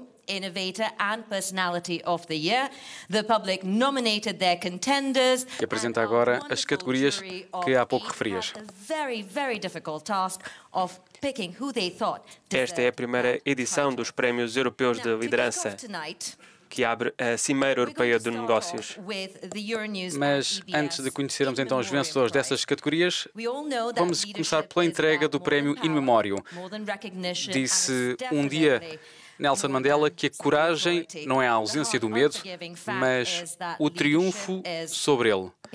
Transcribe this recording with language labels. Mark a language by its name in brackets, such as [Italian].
[English] Innovator and Personality of the Year. The public nominated their contenders. [Portuguese] E apresenta agora as categorias que há pouco referias. [English] Very, very difficult task of picking who they thought. [Portuguese] Esta é a primeira edição dos Prémios Europeus de Liderança, que abre a Cimeira Europeia de Negócios. Mas antes de conhecermos então os vencedores dessas categorias, vamos começar pela entrega do prémio In Memoriam. Disse um dia Nelson Mandela que a coragem não é a ausência do medo, mas o triunfo sobre ele.